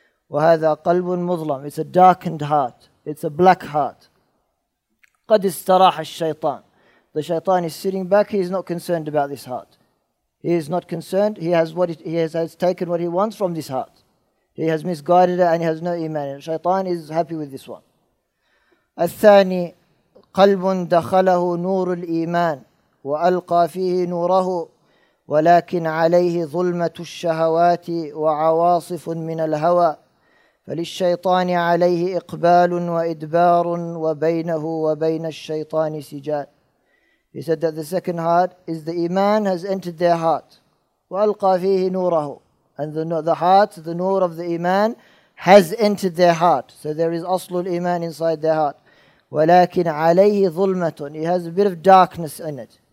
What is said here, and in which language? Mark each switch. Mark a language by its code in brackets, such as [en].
[ar] وَهَذَا قَلْبٌ مُظْلَمٌ [en] It's a darkened heart, it's a black heart. [ar] قَدْ إِسْتَرَاحَ الشَّيْطَانِ [en] The shaitan is sitting back, he is not concerned about this heart. He is not concerned, he has taken what he wants from this heart. He has misguided it and he has no iman in it. Shaitan is happy with this one. [ar] الثاني قَلْبٌ دَخَلَهُ نُورُ الْإِيمَانِ وألقى فيه نوره ولكن عليه ظلمة الشهوات وعواصف من الهوى فللشيطان عليه إقبال وإدبار وبينه وبين الشيطان سجال. [en] He said that the second heart is the iman has entered their heart. [ar] وألقى فيه نوره [en] and the heart, the nur of the iman has entered their heart. So there is [ar] أصل الإيمان [en] inside their heart. [ar] ولكن عليه ظلمة [en] he has a bit of darkness in it.